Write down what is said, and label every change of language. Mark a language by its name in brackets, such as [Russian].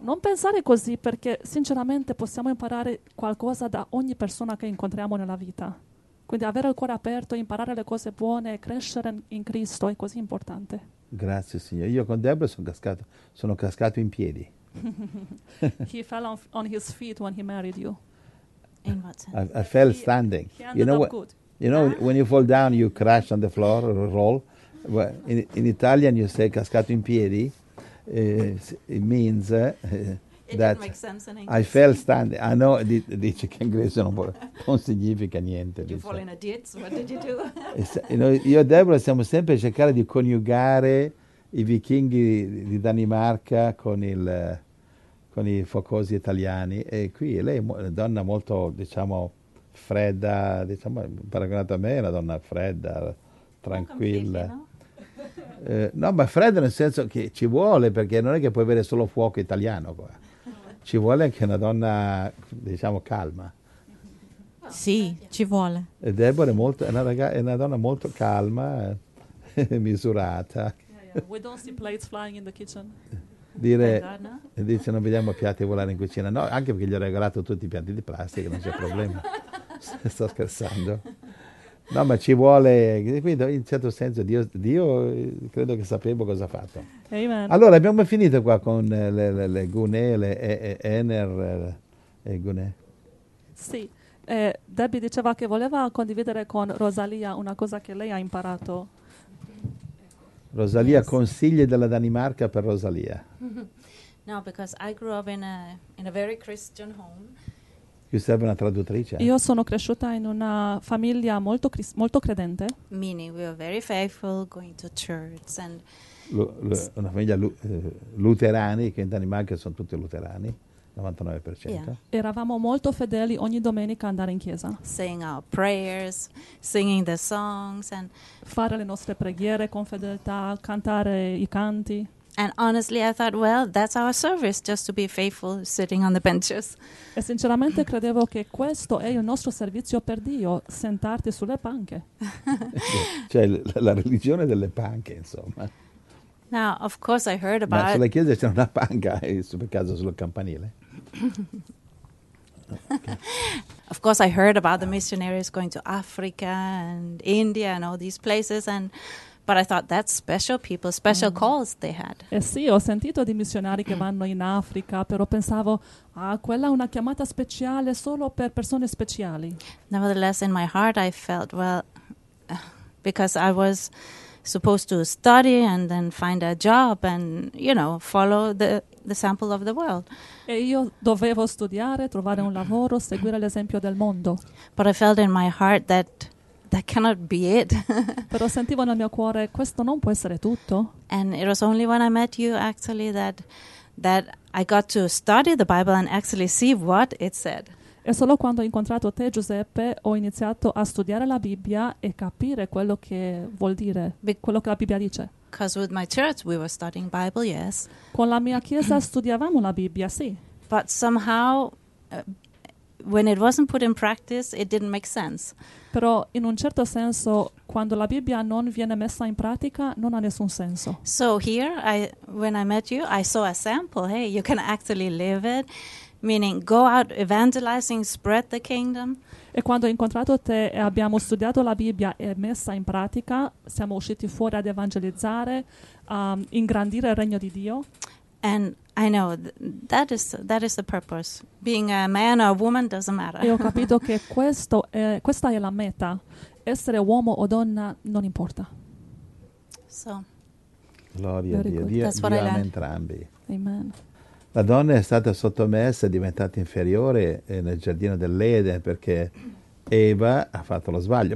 [Italian] Non pensare così perché sinceramente possiamo imparare qualcosa da ogni persona che incontriamo nella vita. Quindi avere il cuore aperto, imparare le cose buone, crescere in Cristo è così importante. Grazie Signore. Io con Deborah sono cascato in piedi. [English] He fell on his feet when he married you. In what sense? I fell standing. He ended up good. You know, when you fall down, you crash on the floor, roll. Well, in Italian you say [Italian] cascato in piedi. [English] It means... That make sense in English. I fell standing. I know, [Italian] dice che in inglese non significa niente. [English] Did you [Italian] dice. [English] Fall in a ditch? What did you do? [Italian] Io e Deborah stiamo sempre a cercare di coniugare i vichinghi di Danimarca con i focosi italiani. E qui lei è una donna molto, diciamo, fredda, diciamo, paragonata a me è una donna fredda, tranquilla. No? No, ma fredda nel senso che ci vuole, perché non è che puoi avere solo fuoco italiano qua. Ci vuole anche una donna, diciamo, calma. Sì, ci vuole. E Deborah è una donna molto calma, misurata. [English] Yeah, yeah. We don't see plates flying in the kitchen. Dire, like that, no? [Italian] Dice, non vediamo piatti volare in cucina. No, anche perché gli ho regalato tutti i piatti di plastica, non c'è problema. Sto scherzando. No, ma ci vuole, quindi in certo senso Dio credo che sapeva cosa ha fatto. Amen. Allora abbiamo finito qua con le Gune, le Gune. Sì, Debbie diceva che voleva condividere con Rosalia una cosa che lei ha imparato. [English] Rosalia, yes. [Italian] Consigli della Danimarca per Rosalia. [English] No, because I grew up in a very Christian home. [Italian] Ci serve una traduttrice. Io sono cresciuta in una famiglia molto molto credente. [English] Meaning we were very faithful, going to church and [Italian] una famiglia luterani, che in Danimarca sono tutti luterani, 99%. [English] Yeah. [Italian] Eravamo molto fedeli ogni domenica andare in chiesa. [English] Saying our prayers, singing the songs and [Italian] fare le nostre preghiere con fedeltà, cantare i canti. [English] And honestly, I thought, well, that's our service, just to be faithful, sitting on the benches. [Italian] E sinceramente credevo che questo è il nostro servizio per Dio, sentarti sulle panche. Cioè, la religione delle panche, insomma. [English] Now, of course, I heard about... [Italian] Ma sulle chiese c'è una panca, per caso, sul campanile. [English] Okay. Of course, I heard about the missionaries going to Africa and India and all these places and... But I thought that's special people, special calls they had. [Italian] Eh sì, ho sentito di missionari che vanno in Africa, però pensavo, ah, quella è una chiamata speciale solo per persone speciali. [English] Nevertheless, in my heart I felt, well, because I was supposed to study and then find a job and, you know, follow the sample of the world. [Italian] E io dovevo studiare, trovare un lavoro, seguire l'esempio del mondo. [English] But I felt in my heart that that cannot be it. [Italian] Però sentivo nel mio cuore questo non può essere tutto. [English] And it was only when I met you actually that I got to study the Bible and actually see what it said. [Italian] E solo quando ho incontrato te, Giuseppe, ho iniziato a studiare la Bibbia e capire quello che vuol dire, quello che la Bibbia dice. [English] Because with my church we were studying Bible, yes. [Italian] Con la mia chiesa studiavamo la Bibbia, sì. [English] But somehow when it wasn't put in practice, it didn't make sense. [Italian] Però in un certo senso quando la Bibbia non viene messa in pratica non ha nessun senso. [English] So here when I met you, I saw a sample. Hey, you can actually live it. Meaning, go out evangelizing, spread the kingdom. [Italian] E quando ho incontrato te e abbiamo studiato la Bibbia e messa in pratica, siamo usciti fuori ad evangelizzare, ingrandire il regno di Dio. [English] And I know that is the purpose. Being a man or a woman doesn't matter. [Italian] E ho capito che questa è la meta. Essere uomo o donna non importa. [English] So. [Italian] Gloria a Dio. Dio, [English] that's what [Italian] Dio [English] I learned. [Italian] Entrambi. Amen. La donna è stata sottomessa, è diventata inferiore nel giardino dell'Eden perché Eva ha fatto lo sbaglio.